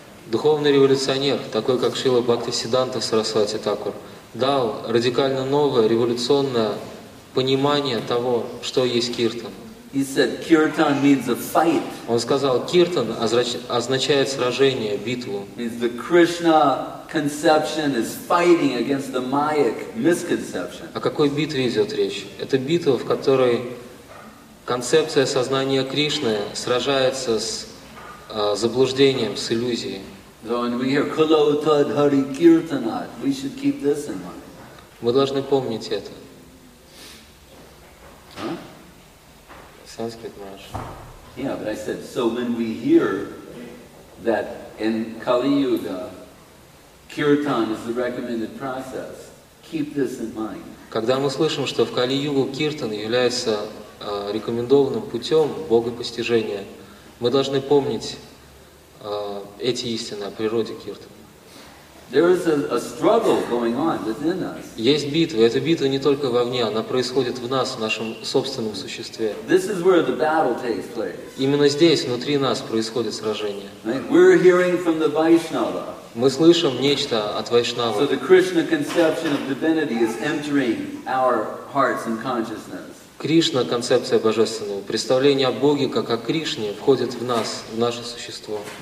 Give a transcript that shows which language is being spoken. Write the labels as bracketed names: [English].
[Russian] Духовный революционер, такой как Шрила Бхактисиддханта Сарасвати Такур, дал радикально новое революционное понимание того, что есть киртан. [English] He said kirtan means a fight. [Russian] Он сказал, киртан означает сражение, битву. [English] Means the Krishna conception is fighting against the Mayic misconception. [Russian] О какой битве идет речь? Это битва, в которой концепция сознания Кришны сражается с заблуждением, с иллюзией. [English] So when we hear Kulotad Hari Kirtanat, we should keep this in mind. [Russian] Мы должны помнить это. Санскрит наш. [English] Yeah, but I said, so when we hear that in Kali Yuga, Kirtan is the recommended process, keep this in mind. [Russian] Когда мы слышим, что в Кали-Югу Киртан является рекомендованным путем богопостижения, мы должны помнить эти истины о природе киртана. [English] There is a struggle going on within us. [Russian] Есть битва. Эта битва не только вовне, она происходит в нас, в нашем собственном существе. [English] This is where the battle takes place. [Russian] Именно здесь, внутри нас, происходит сражение. [English] Right? We're hearing from the Vaishnava. [Russian] Мы слышим нечто от Вайшнава. [English] So the Krishna conception of divinity is entering our hearts and consciousness. [Russian] Кришна, концепция Божественного, представление о Боге, как о Кришне, входит в нас, в наше существо.